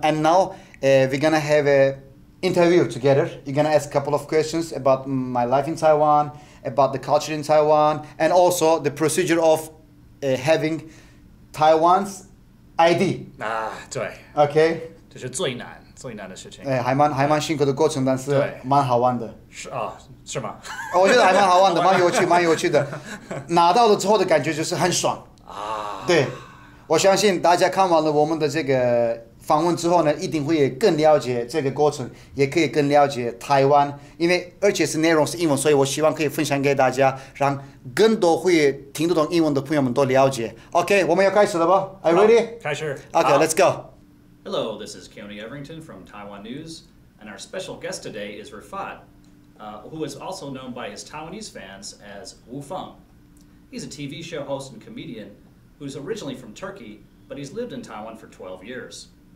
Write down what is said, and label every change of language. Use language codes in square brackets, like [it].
[en] And now, we're gonna have an interview together. You're gonna ask a couple of questions about my life in Taiwan, about the culture in Taiwan, and also the procedure of having Taiwan's ID. [zh] 啊，对。 [en] Okay. [zh] 这是最难的事情。还蛮辛苦的过程，但是蛮好玩的。是吗？我觉得还蛮好玩的，蛮有趣的。拿到了之后的感觉就是很爽。对。我相信大家看完了我们的这个访问之后呢，一定会更了解这个过程，也可以更了解台湾，因为而且是内容是英文，所以我希望可以分享给大家，让更多会听得懂英文的朋友们都了解。 OK，我们要开始了吧？ [en] Are you ready？ [zh] 开始。 [en] OK，Let's go。 Hello, this is Keone Everington from Taiwan News, and our special guest today is Rifat, who is also known by his Taiwanese fans as Wu Feng. He's a TV show host and comedian. Who's originally from Turkey, but he's lived in Taiwan for 12 years.